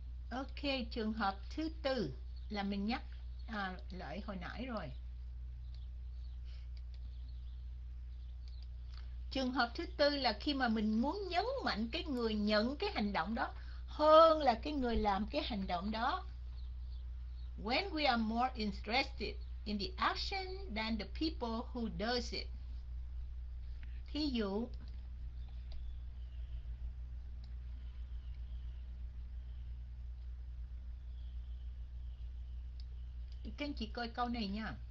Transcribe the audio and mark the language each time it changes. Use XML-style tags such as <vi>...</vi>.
<vi>Ok, trường hợp thứ tư là mình nhắc lại hồi nãy rồi. Trường hợp thứ tư là khi mà mình muốn nhấn mạnh cái người nhận cái hành động đó hơn là cái người làm cái hành động đó.</vi> <en>When we are more interested in the action than the people who does it.</en> <vi>Thí dụ, các anh chị coi câu này nha.</vi>